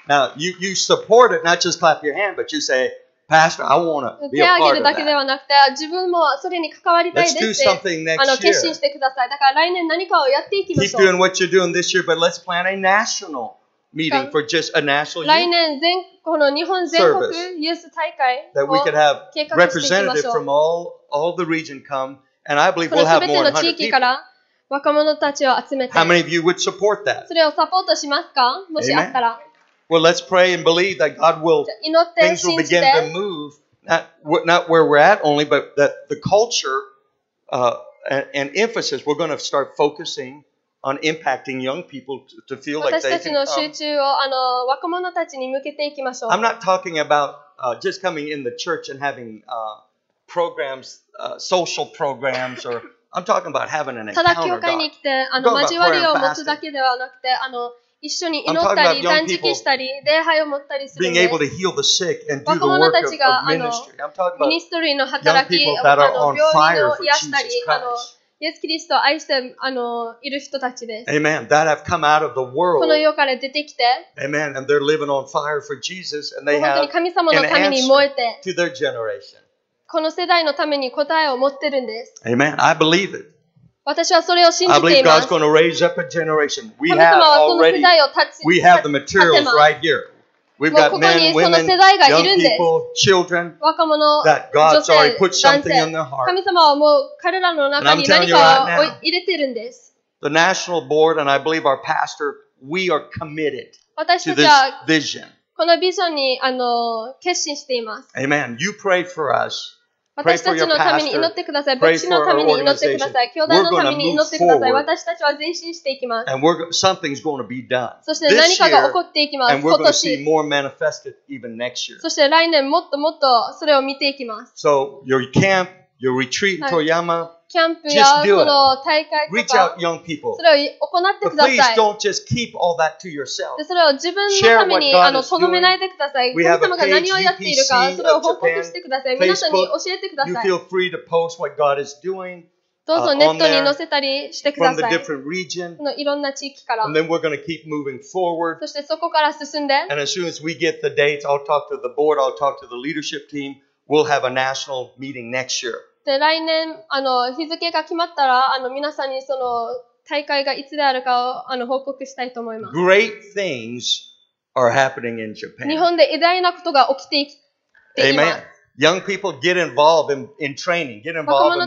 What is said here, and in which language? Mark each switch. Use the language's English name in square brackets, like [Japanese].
[English] Now, you support it, not just clap your hand, but you say, Pastor, I want to be a part of that. [Japanese] 手を挙げるだけではなくて、自分もそれに関わりたいですって、決心してください。だから来年何かをやっていきましょう。 [English] Keep doing what you're doing this year, but let's plan a national meeting for just a national youth service. [Japanese] 来年全この日本全国ユース大会を計画していきましょう。 [English] That we could have representatives from all the region come, and I believe we'll have more than 100 people. [Japanese] 若者たちを集めて。 [English] How many of you would support that? [Japanese] それをサポートしますか? もしあったら。 [English] Well, let's pray and believe that God will, things will begin to move, not where we're at only, but that the culture, and emphasis, we're going to start focusing on impacting young people to feel like they can come. [Japanese] 私たちの集中を若者たちに向けていきましょう。 [English] I'm not talking about just coming in the church and having programs, social programs or I'm talking about having an encounter. [Japanese] ただ教会に来て、交わりを持つだけではなくて、一緒に祈ったり、断食したり、礼拝を持ったりするんです。若者たちが、ミニストリーの働き、病気を癒したり、イエス・キリストを愛して、いる人たちです。 [English] Amen. That have come out of the world. [Japanese] この世から出てきて、 [English] Amen. And they're living on fire for Jesus, and they have [Japanese] 本当に神様のために燃えて、 [English] to their generation. [Japanese] この世代のために答えを持ってるんです。 [English] Amen. I believe it. [Japanese] 私はそれを信じています。 [English] I believe God's going to raise up a generation. We have already. We have the materials right here. We've got men, women, young people, children. [Japanese] 若者、女性、男性。 [English] That God's already put something in their heart. [Japanese] 神様はもう彼らの中に何かを入れてるんです。 [English] The national board and I believe our pastor, we are committed to this vision. [Japanese] このビジョンに決心しています。 [English] Amen. You pray for us. [Japanese] 私たちのために祈ってください。牧師のために祈ってください。教団のために祈ってください。私たちは前進していきます。 [English] And something's going to be done. [Japanese] そして何かが起こっていきます。 [English] And we're going to see more manifested even next year. [Japanese] そして来年もっともっとそれを見ていきます。 [English] So your camp, your retreat in Toyama. [Japanese] キャンプやこの大会とか、それを行ってください。 [English] Please don't just keep all that to yourself. [Japanese] それを自分のためにとどめないでください。神様が何をやっているか、それを報告してください。皆さんに教えてください。 [English] You feel free to post what God is doing. [Japanese] どうぞネットに載せたりしてください。 [English] From the different region. [Japanese] のいろんな地域から。 [English] And then we're going to keep moving forward. [Japanese] そしてそこから進んで。 [English] And as soon as we get the dates, I'll talk to the board. I'll talk to the leadership team. We'll have a national meeting next year. [Japanese] で来年日付が決まったら皆さんにその大会がいつであるかを報告したいと思います。 [English] Great things are happening in Japan. [Japanese] 日本で偉大なことが起きていきています。 [English] Amen. Young people get involved in training. Get involved in Bible school.